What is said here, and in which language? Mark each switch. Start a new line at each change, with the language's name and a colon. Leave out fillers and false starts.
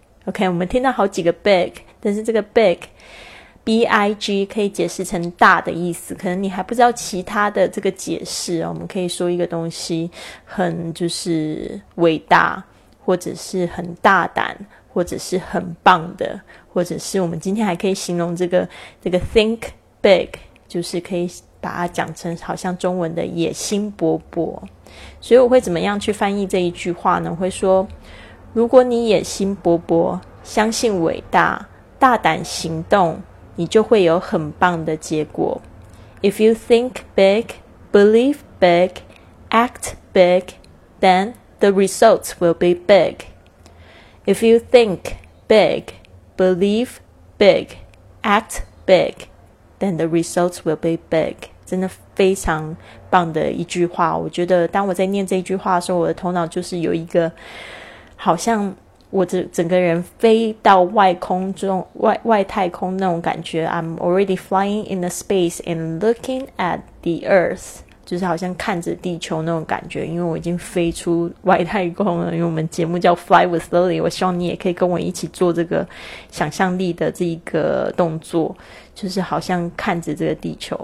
Chinese: OK， 我们听到好几个 big， 但是这个 big B-I-G 可以解释成大的意思，可能你还不知道其他的这个解释，我们可以说一个东西很就是伟大，或者是很大胆，或者是很棒的，或者是我们今天还可以形容这个 think big， 就是可以把它讲成好像中文的野心勃勃。所以我会怎么样去翻译这一句话呢？我会说，如果你野心勃勃，相信伟大，大胆行动，你就会有很棒的结果。
English: If you think big, believe big, act big, then the results will be big. If you think big, believe big, act big, then the results will be big.
Chinese: 真的非常棒的一句话，我觉得当我在念这句话的时候，我的头脑就是有一个好像我这整个人飞到外空中，外太空那种感觉。
English: I'm already flying in the space and looking at the Earth，
Chinese: 就是好像看着地球那种感觉，因为我已经飞出外太空了。因为我们节目叫 Fly with Lily， 我希望你也可以跟我一起做这个想象力的这一个动作，就是好像看着这个地球。